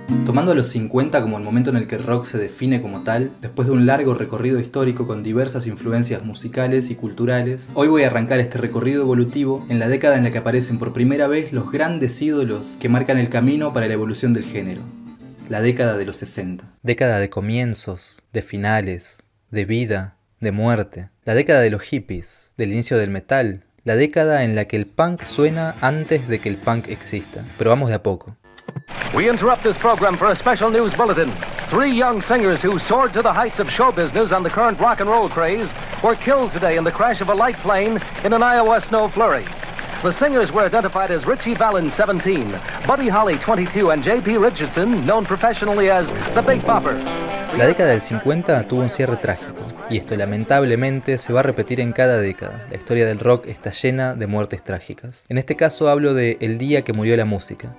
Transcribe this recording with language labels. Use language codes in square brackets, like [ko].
[es] Tomando a los 50 como el momento en el que el rock se define como tal, después de un largo recorrido histórico con diversas influencias musicales y culturales, hoy voy a arrancar este recorrido evolutivo en la década en la que aparecen por primera vez los grandes ídolos que marcan el camino para la evolución del género. La década de los 60. Década de comienzos, de finales, de vida, de muerte. La década de los hippies, del inicio del metal. La década en la que el punk suena antes de que el punk exista. Pero vamos de a poco. [en] We interrupt this program for a special news bulletin. Three young singers who soared to the heights of show business and the current rock and roll craze were killed today in the crash of a light plane in an Iowa snow flurry. The singers were identified as Richie Valens, 17, Buddy Holly, 22, and J.P. Richardson, known professionally as the Big Bopper. [es] La década del 50 tuvo un cierre trágico, y esto lamentablemente se va a repetir en cada década. La historia del rock está llena de muertes trágicas. En este caso hablo de El Día que Murió la Música.